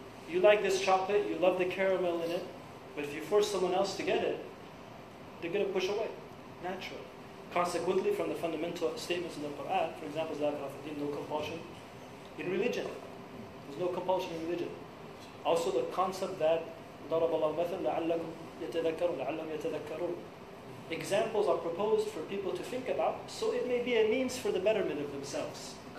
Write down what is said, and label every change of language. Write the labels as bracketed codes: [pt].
[en] You like this chocolate, you love the caramel in it, but if you force someone else to get it, they're going to push away, naturally. Consequently, from the fundamental statements in the Quran, for example, there's no compulsion in religion. There's no compulsion in religion. Also the concept that [ar] ضَرَبَ اللَّهُ مَثَلًا لَعَلَّكُمْ يَتَذَكَّرُونَ لَعَلَّهُمْ يَتَذَكَّرُونَ. [en] Examples are proposed for people to think about, so it may be a means for the betterment of themselves.